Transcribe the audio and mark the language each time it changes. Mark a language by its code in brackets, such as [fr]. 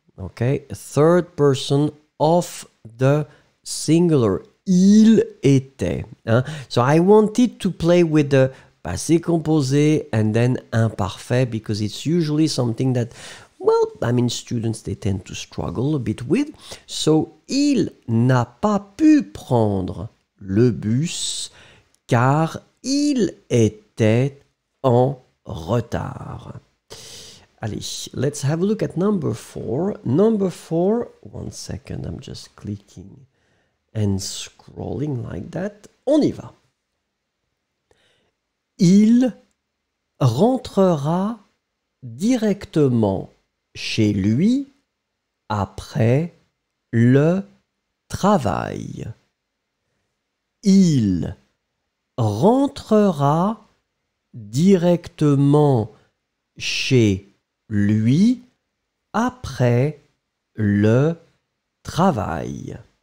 [en] Okay, third person of the singular, [fr] il était. Hein? [en] So I wanted to play with the passé composé and then imparfait, because it's usually something that, well, I mean, students, they tend to struggle a bit with. [fr] So, il n'a pas pu prendre le bus car il était en retard. Allez, [en] let's have a look at number four. Number four, one second, I'm just clicking and scrolling like that. [fr] On y va. Il rentrera directement chez lui après le travail. Il rentrera directement chez lui après le travail.